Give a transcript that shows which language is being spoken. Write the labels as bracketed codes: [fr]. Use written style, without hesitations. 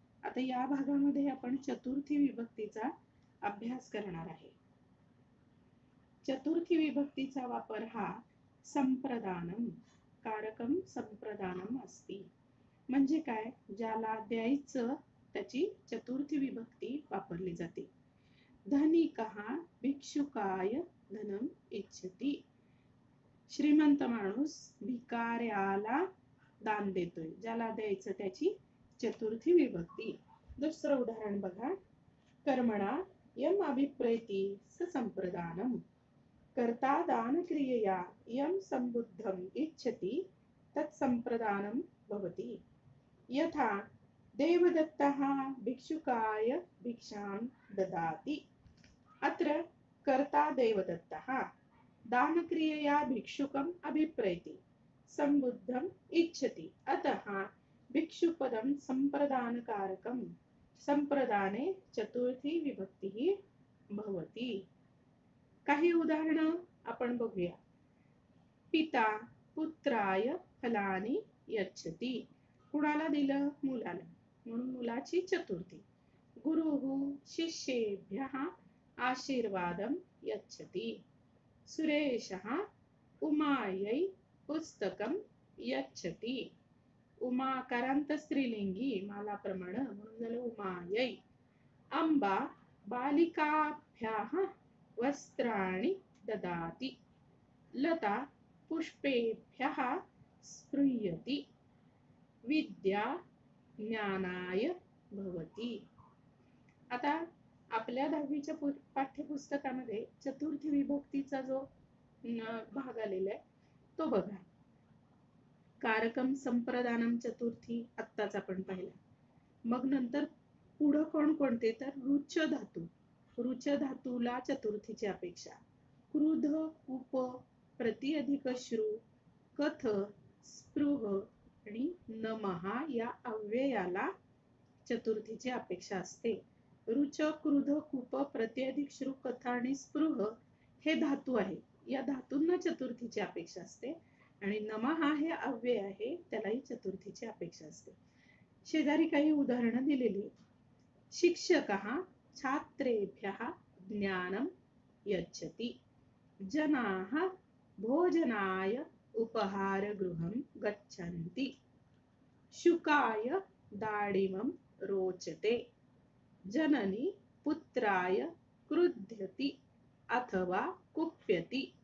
[mr] आता या भागामध्ये आपण चतुर्थी विभक्तीचा अभ्यास करणार आहे। चतुर्थी विभक्तीचा वापर हा संप्रदानम, कारकम संप्रदानम असते। म्हणजे काय? ज्याला द्यायचं त्याची चतुर्थी विभक्ती वापरली जाते। [sa] धनिकः भिक्षुकाय धनम इच्छति। [mr] श्रीमंत माणूस भिकाऱ्याला दान देतोय, ज्याला द्यायचं त्याची चतुर्थी विभक्ती। दुसरं उदाहरण बघा, [sa] कर्मणा यम अभिप्रेति स संप्रदानम, कर्ता दान क्रियया यम संबुद्धम इच्छति तत् संप्रदानम भवति। यथा देवदत्तः भिक्षुकाय भिक्षां ददाति। अत्र कर्ता देवदत्तः, दानक्रियया भिक्षुकम् अभिप्रैति, सम्बुद्धम् इच्छति। अतः भिक्षुपदं संप्रदानकारकम्, संप्रदाने चतुर्थी विभक्तिः भवति। [mr] काही उदाहरण आपण बघूया। [sa] पिता पुत्राय फलानि यच्छति। [mr] कुणाला दिलं? मुलाला, म्हणून मुलाची चतुर्थी। [sa] गुरुः शिष्येभ्यः आशीर्वादं यच्छति। सुरेशः उमायै पुस्तकं यच्छति। [mr] उमा करंत स्त्रीलिंगी माला प्रमाण, म्हणून झालं उमायै। [sa] अंबा बालिकाभ्यः वस्त्राणि ददाति। लता पुष्पेभ्यः स्पृयति। विद्या ज्ञानाय भवति। [mr] आता आपल्या 10वीच्या पाठ्यपुस्तकामध्ये चतुर्थी विभक्तीचा जो भाग आलेला आहे तो बघा। कारकम संप्रदानम चतुर्थी आत्ताच आपण पाहिला। मग नंतर पुढे कोण कोणते? तर रुच धातू, रुच धातूला चतुर्थीची अपेक्षा। क्रुध उप प्रति अधिक श्रु कथ स्पृह आणि नमहा या अव्ययाला चतुर्थीची अपेक्षा असते। रुच क्रुध कुप प्रत्यधिक श्रु कथा आणि स्पृह हे धातू आहे, या धातूंना चतुर्थीची अपेक्षा असते। आणि नमहा हे अव्यय आहे, त्यालाही चतुर्थीची अपेक्षा असते। शेजारी काही उदाहरणं दिलेली। [sa] शिक्षकः छात्रेभ्यः ज्ञानं यच्छति। जनाः भोजनाय उपहार गृहं गच्छन्ति। शुकाय दाडिमं रोचते। जननी पुत्राय क्रुध्यति अथवा कुप्यति।